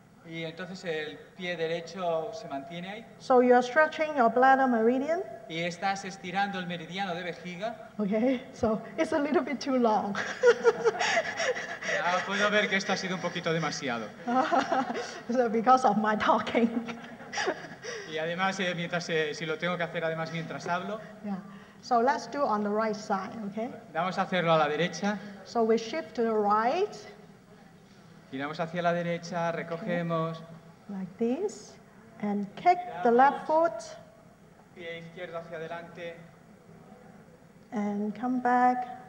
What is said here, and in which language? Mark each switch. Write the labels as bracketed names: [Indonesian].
[Spanish] Y entonces el pie derecho se mantiene ahí. [English] So you're stretching your bladder meridian. [Spanish] Y estás estirando el meridiano de vejiga. [English] Okay, so it's a little bit too long. [Spanish] Ya puedo ver que esto ha sido un poquito demasiado. [English] So because of my talking. [Spanish] Y además, si lo tengo que hacer además mientras hablo. [English] Yeah. So let's do on the right side, okay? [Spanish] Vamos a hacerlo a la derecha. [English] So we shift to the right. [Spanish] Giramos hacia la derecha, recogemos. [English] Like this. And kick the left foot. [Spanish] Pie izquierdo hacia adelante. [English] And come back.